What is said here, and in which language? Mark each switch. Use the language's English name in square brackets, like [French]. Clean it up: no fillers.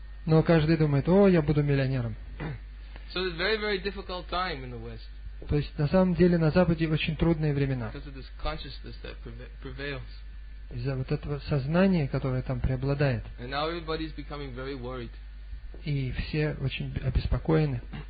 [Russian] Но каждый думает, о, я буду миллионером. [English] So it's a very, very difficult time in the West. [Russian] То есть на самом деле на Западе очень трудные времена. [English] Because of this consciousness that prevails. [Russian] Из-за вот этого сознания, которое там преобладает. [English] And now everybody's becoming very worried. [Russian] И все очень обеспокоены.